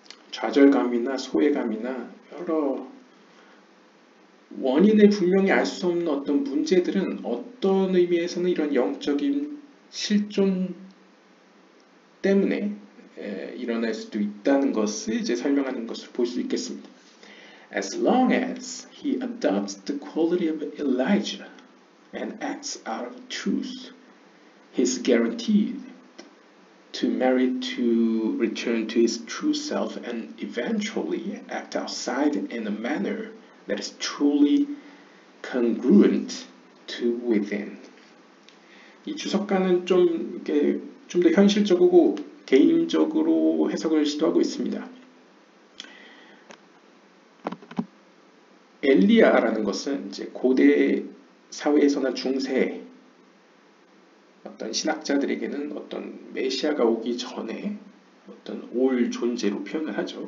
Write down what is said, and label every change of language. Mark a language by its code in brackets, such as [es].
[ko] 좌절감이나 소외감이나 여러 원인을 분명히 알 수 없는 어떤 문제들은 어떤 의미에서는 이런 영적인 실존 때문에 일어날 수도 있다는 것을 이제 설명하는 것을 볼 수 있겠습니다. [en] As long as he adopts the quality of Elijah and acts out of truth, he's guaranteed to marry to return to his true self and eventually act outside in a manner that is truly congruent to within. [ko] 이 주석가는 좀 이게 좀 더 현실적이고 개인적으로 해석을 시도하고 있습니다. 엘리야라는 것은 이제 고대 사회에서나 중세 어떤 신학자들에게는 어떤 메시아가 오기 전에 어떤 올 존재로 표현을 하죠.